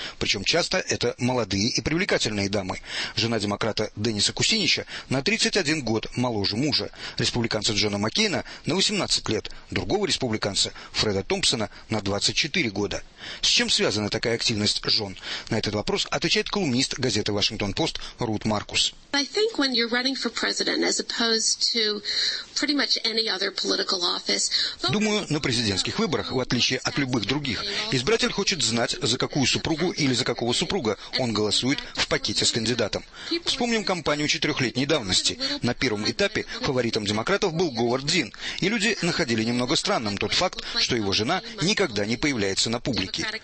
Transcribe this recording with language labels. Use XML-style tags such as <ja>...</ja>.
<ru>Причем часто это молодые и привлекательные дамы. Жена демократа Денниса Кусинича на 31 год моложе мужа. Республиканца Джона Маккейна на 18 лет. Другого республиканца Фреда Томпсона на 24 года. С чем связана такая активность жены? На этот вопрос отвечает колумнист газеты «Вашингтон-Пост» Рут Маркус.</ru> <en>I think when you're running for president, as opposed to pretty much any other political office.</en> <ru>Думаю, на президентских выборах, в отличие от любых других, избиратель хочет знать, за какую супругу или за какого супруга он голосует в пакете с кандидатом. Вспомним кампанию 4-летней давности. На первом этапе фаворитом демократов был Говард Дин, и люди находили немного странным тот факт, что его жена никогда не появляется на публике.</ru>